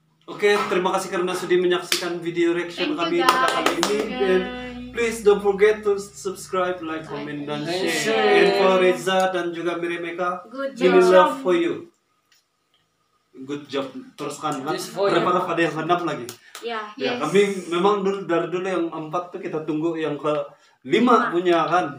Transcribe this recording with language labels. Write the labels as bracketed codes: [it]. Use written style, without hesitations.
[id] Oke, okay, terima kasih karena sudah menyaksikan video reaction kami pada kali ini. [en] And please don't forget to subscribe, like, comment, [id] dan share. [en] And for Reza [id] dan juga [en] Miriam Eka, good job. Love for you. Good job. [id] Teruskan. Terima kasih pada yang keenam lagi. Yeah. Ya, yes. Kami memang dari dulu yang empat tuh kita tunggu yang ke lima punya kan?